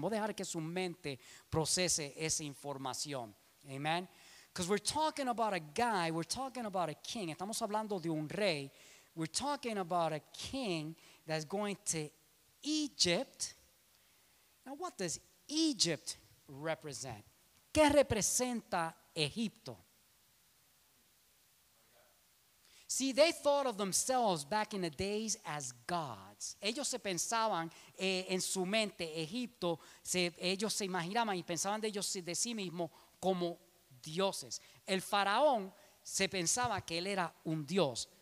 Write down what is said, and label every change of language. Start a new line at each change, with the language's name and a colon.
Spanish: Voy a dejar que su mente procese esa información. Amen.
English: Because we're talking about a guy, we're talking about a king.
Spanish: Estamos hablando de un rey.
English: We're talking about a king that's going to Egypt. Now, what does Egypt represent?
Spanish: ¿Qué representa Egipto?
English: See, they thought of themselves back in the days as gods.
Spanish: Ellos se pensaban en su mente, Egipto, ellos se imaginaban y pensaban de ellos de sí mismos como dioses. El faraón se pensaba que él era un dios.